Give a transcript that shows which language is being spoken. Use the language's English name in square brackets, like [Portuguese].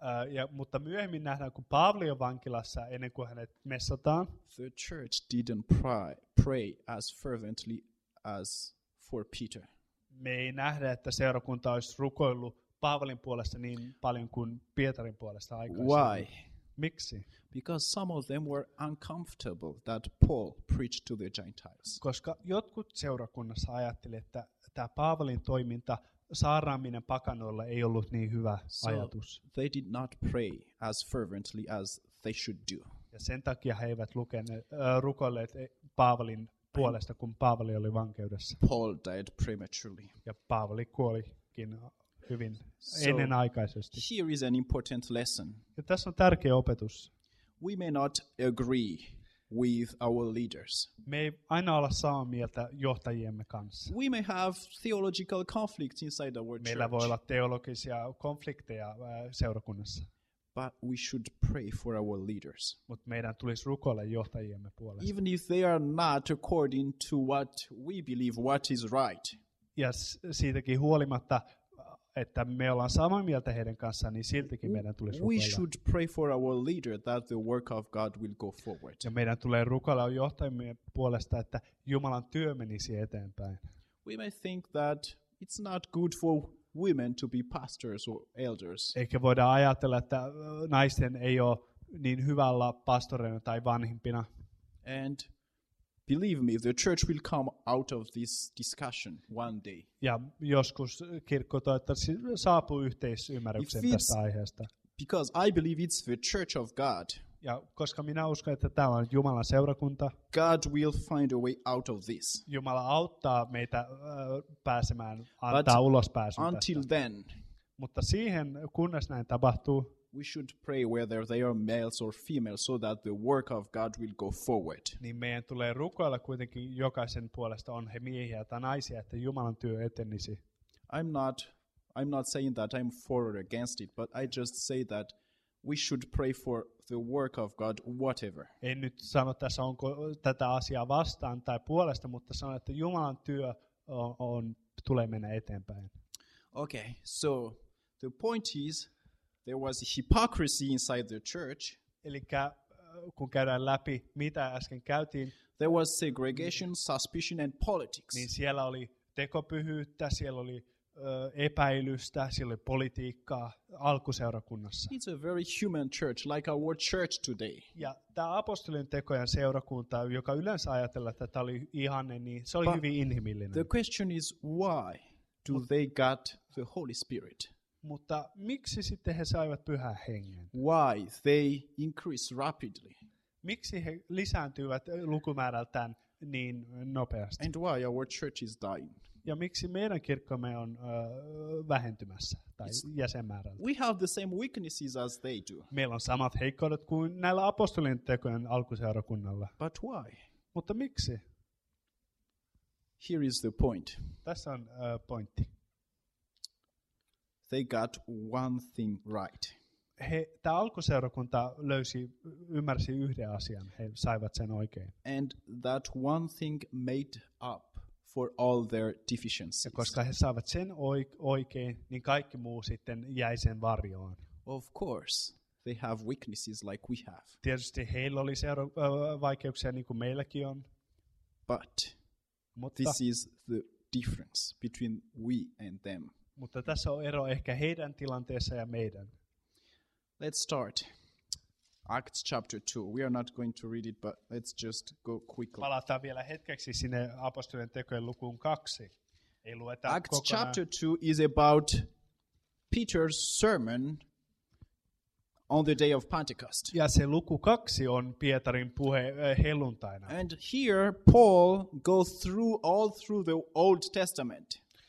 [Finnish] Ja mutta myöhemmin nähdään kun Paavali on vankilassa ennen kuin hänet messataan. [English] The church didn't pray as fervently as for Peter. [Finnish] Me ei nähdä, että seurakunta olisi rukoillut Paavalin puolesta niin paljon kuin Pietarin puolesta aikaisemmin. [English] Why? [Finnish] Miksi? [English] Because some of them were uncomfortable that Paul preached to the Gentiles. [Finnish] Koska jotkut seurakunnassa ajatteli, että tämä Paavalin toiminta, saarnaaminen pakanoilla ei ollut niin hyvä ajatus. [English] So they did not pray as fervently as they should do. [Finnish] Ja sen takia he eivät rukoilleet Paavalin puolesta, kun Paavali oli vankeudessa. [English] Paul died prematurely. [Finnish] Ja Paavali kuolikin hyvin ennenaikaisesti. [English] Here is an important lesson. [Finnish] Ja tässä on tärkeä opetus. [English] We may not agree with our leaders. [Finnish] Me ei aina olla samaa mieltä johtajiemme kanssa. [English] We may have theological conflicts inside our church. [Finnish] Meillä voi olla teologisia konflikteja seurakunnassa. [English] But we should pray for our leaders. [Finnish] Mut meidän tulisi rukoilla johtajiemme puolesta. [English] Even if they are not according to what we believe, what is right. [Finnish] Ja siitäkin huolimatta, että me ollaan samaa mieltä heidän kanssaan, niin siltikin meidän tulisi rukoilla. [English] We should pray for our leader that the work of God will go forward. [Finnish] Ja meidän tulee rukoilla johtajiemme puolesta, että Jumalan työ menisi eteenpäin. [English] We may think that it's not good for women to be pastors or elders. [Finnish] Eikä voida ajatella, että naisten ei ole niin hyvällä pastoreina tai vanhimpina. [English] And believe me, the church will come out of this discussion one day. [Finnish] Ja joskus kirkko toivottavasti saapuu yhteisymmärrykseen tästä aiheesta. [English] Because I believe it's the church of God. [Finnish] Ja koska minä uskon, että tämä on Jumalan seurakunta. [English] God will find a way out of this. [Finnish] Jumala auttaa meitä pääsemään, antaa ulos pääsyn [English] until [Finnish] tästä. [English] Then, [Finnish] mutta siihen, kunnes näin tapahtuu, [English] we should pray whether they are males or females so that the work of God will go forward. [Finnish] Niin meidän tulee rukoilla kuitenkin jokaisen puolesta, on he miehiä tai naisia, että Jumalan työ etenisi. [English] I'm not saying that I'm for or against it, but I just say that we should pray for the work of God, whatever. [Finnish] En nyt sano tässä, onko tätä asiaa vastaan tai puolesta, mutta sanon, että Jumalan työ on tulee mennä eteenpäin. [English] Okay, so the point is, there was hypocrisy inside the church. [Finnish] Eli kun käydään läpi, mitä äsken käytiin. [English] There was segregation, suspicion and politics. [Finnish] Niin siellä oli tekopyhyyttä, siellä oli epäilystä, siellä oli politiikkaa alkuseurakunnassa. [English] It's a very human church, like our church today. [Finnish] Ja tämä apostolien tekojen seurakunta, joka yleensä ajatella, että tämä oli ihanne, niin se oli [English] but [Finnish] hyvin inhimillinen. [English] The question is, why do they got the Holy Spirit? [Finnish] Mutta miksi sitten he saivat Pyhän Hengen? [English] Why they increase rapidly? [Finnish] Miksi he lisääntyivät lukumäärältään niin nopeasti? [English] And why our church is dying? [Finnish] Ja miksi meidän kirkkomme on vähentymässä tai jäsenmäärällä? [English] We have the same weaknesses as they do. [Finnish] Meillä on samat heikkoudet kuin näillä apostolien tekojen alkuseurakunnalla. [English] But why? [Finnish] Mutta miksi? [English] Here is the point. [Finnish] Tässä on pointti. [English] They got one thing right. [Finnish] Tämä alkuseurakunta ymmärsi yhden asian. He saivat sen oikein. [English] And that one thing made up for all their deficiencies. [Finnish] Ja koska he saavat sen oikein, niin kaikki muu sitten jäi sen varjoon. [English] Of course, they have weaknesses like we have. [Finnish] Tietysti heillä oli vaikeuksia niin kuin meilläkin on. [English] But [Finnish] mutta, [English] this is the difference between we and them. [Finnish] Mutta tässä on ero ehkä heidän tilanteessa ja meidän. [English] Let's start. Acts chapter 2. We are not going to read it, but let's just go quickly. [Finnish] Palataan vielä hetkeksi sinne apostolien tekojen lukuun 2. Ei lueta Acts kokonaan. [English] Chapter 2 is about Peter's sermon on the day of Pentecost. [Finnish] Ja se luku 2 on Pietarin puhe helluntaina. [English] And here Paul goes through all through the Old Testament.